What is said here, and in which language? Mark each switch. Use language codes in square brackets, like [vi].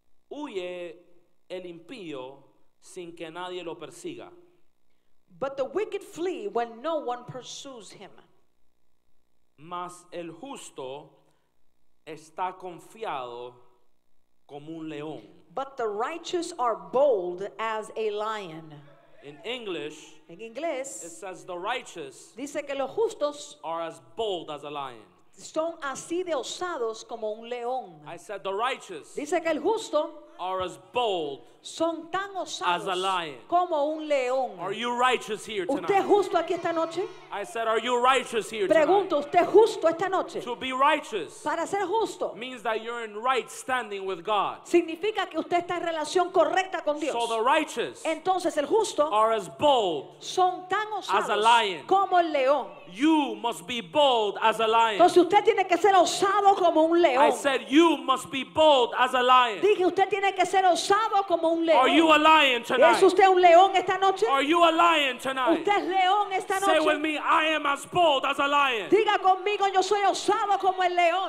[es] Huye el impío sin que nadie lo persiga. [en] But the wicked flee when no one pursues him. [es] Mas el justo está confiado como un león. [en] But the righteous are bold as a lion. In English, [es] en inglés, [en] it says the righteous, [es] dice que los justos, [en] are as bold as a lion. [es] Son así de osados como un león. [en] I said the righteous, [es] dice que el justo, [en] are as bold, [es] son tan osados, [en] as a lion. [es] Como un león. [en] Are you righteous here tonight? [es] ¿Usted justo aquí esta noche? [en] I said, are you righteous here [es] Pregunto, [en] tonight? [es] ¿Usted justo esta noche? [en] To be righteous, [es] para ser justo, [en] means that you're in right standing with God. [es] Significa que usted está en relación correcta con Dios. [en] So the righteous, [es] entonces el justo, [en] are as bold, [es] son tan osados, [en] as a lion. [es] Como el león. [en] You must be bold as a lion. [es] Entonces usted tiene que ser osado como un león. [en] I said, you must be bold as a lion. [es] Dije, usted tiene que ser osado como un león. [en] Are you a lion tonight? [es] ¿Es usted un león esta noche? [en] Are you a lion tonight? [es] ¿Usted es león esta noche? [en] Say with me, I am as bold as a lion. [es] Diga conmigo, yo soy osado como el león.